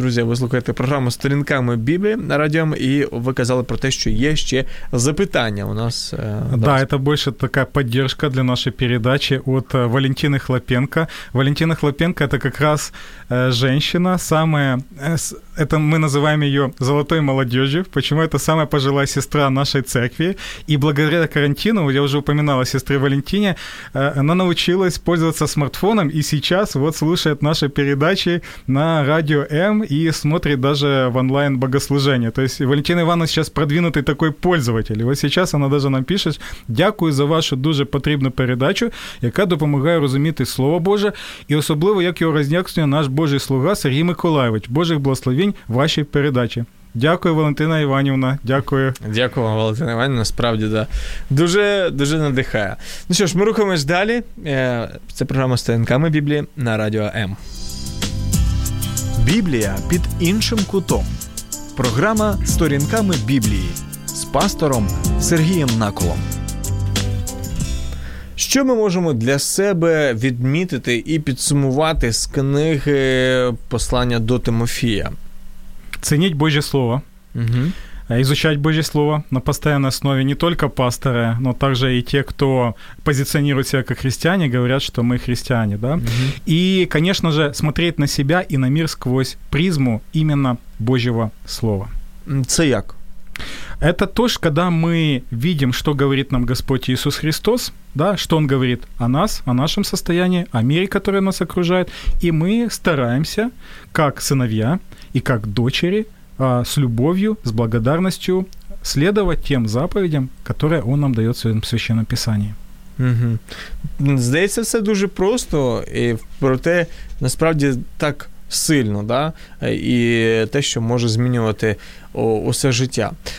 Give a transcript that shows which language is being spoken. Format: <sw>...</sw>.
<uk>Друзі, ви слухаєте програму «Сторінками Біблії» на радіо, і ви казали про те, що є ще запитання у нас. Да, це більше така підтримка для нашої передачі від Валентини Хлопенко.</uk> <ru>Валентина Хлопенко –</ru> <uk>це якраз</uk> <ru>женщина, самая, это мы называем ее золотой молодежью, почему это самая пожилая сестра нашей церкви, и благодаря карантину, я уже упоминал о сестре Валентине, она научилась пользоваться смартфоном, и сейчас вот слушает наши передачи на Радио М и смотрит даже в онлайн богослужение. То есть Валентина Ивановна сейчас продвинутый такой пользователь, и вот сейчас она даже нам пишет,</ru> <uk>дякую за вашу дуже потребную передачу, яка допомагає розуміти Слово Боже, и особливо, як його роз'яснює наш Божий слуга Сергій Миколаєвич. Божих благословень вашій передачі. Дякую, Валентина Іванівна. Дякую. Дякую вам, Валентина Іванівна. Справді, да. Дуже, дуже надихає. Ну що ж, ми рухаємось далі. Це програма «Сторінками Біблії» на Радіо М. Біблія під іншим кутом. Програма «Сторінками Біблії» з пастором Сергієм Наколом. Що ми можемо для себе відмітити і підсумувати з книги послання до Тимофія? Цініть Боже Слово. Угу.</uk> <ru>Изучать Божье Слово на постоянной основе не только пасторы, но также и те, кто позиционирует себя как христиане, говорят, что мы христиане, да? И, конечно же, смотреть на себя и на мир сквозь призму именно Божьего Слова.</ru> <uk>Це як?</uk> <ru>Это то, что когда мы видим, что говорит нам Господь Иисус Христос, да, что Он говорит о нас, о нашем состоянии, о мире, который нас окружает, и мы стараемся, как сыновья и как дочери, с любовью, с благодарностью следовать тем заповедям, которые Он нам дает в своем Священном Писании. Угу.</ru> <uk>Здається, все дуже просто, і проте насправді так сильно, да, і те, що може змінювати усе життя.</uk>